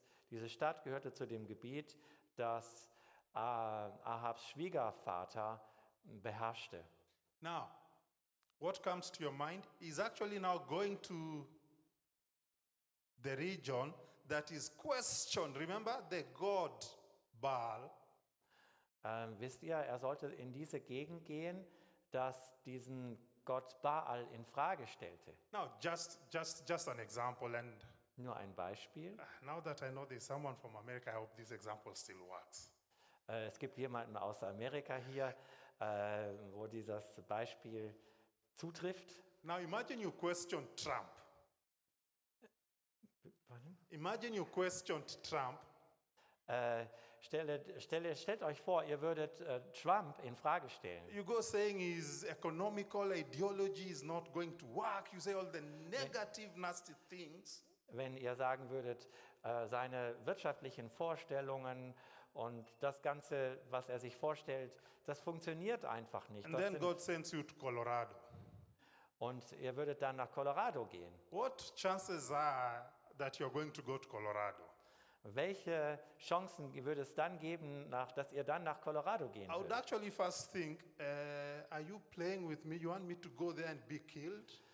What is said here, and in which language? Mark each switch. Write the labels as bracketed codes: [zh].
[de] Diese Stadt gehörte zu dem Gebiet, das Ahabs Schwiegervater beherrschte. [en] Now, what comes to your mind? He's actually now going to the region that is questioned. Remember the god Baal. [de] Wisst ihr, er sollte in diese Gegend gehen, dass diesen Gott Baal in Frage stellte. [en] Now, just an example and [de] nur ein Beispiel. [en] Now that I know there's someone from America, I hope this example still works. [de] Es gibt jemanden aus Amerika hier, wo dieses Beispiel zutrifft. [en] Now imagine you questioned Trump. Pardon? Imagine you questioned Trump. [de] Stellt euch vor, ihr würdet Trump in Frage stellen. [en] You go saying his economical ideology is not going to work. You say all the negative, nasty things. [de] Wenn ihr sagen würdet, seine wirtschaftlichen Vorstellungen und das Ganze, was er sich vorstellt, das funktioniert einfach nicht. [en] And then God sends you to Colorado. [de] Und ihr würdet dann nach Colorado gehen. [en] What chances are that you're going to go to Colorado? [de] Welche Chancen würde es dann geben, dass ihr dann nach Colorado gehen würdet? [en] I would actually first think, are you playing with me? You want me to go there and be killed?